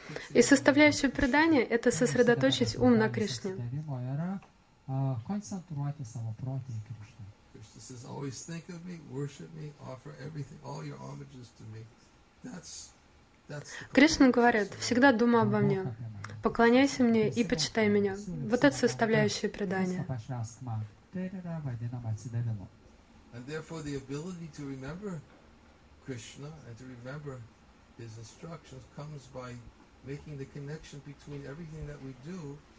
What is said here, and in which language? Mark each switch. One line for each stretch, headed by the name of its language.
Russian: И составляющее предание — это сосредоточить ум на Кришне.
English: Кришна says, always think of me, worship me, offer everything, all your homages to me.
Russian: Кришна говорит: всегда думай обо мне, поклоняйся мне и почитай меня. Вот это составляющее предание.
English: And therefore the ability to remember Krishna and to remember his instructions comes by making the connection between everything that we do.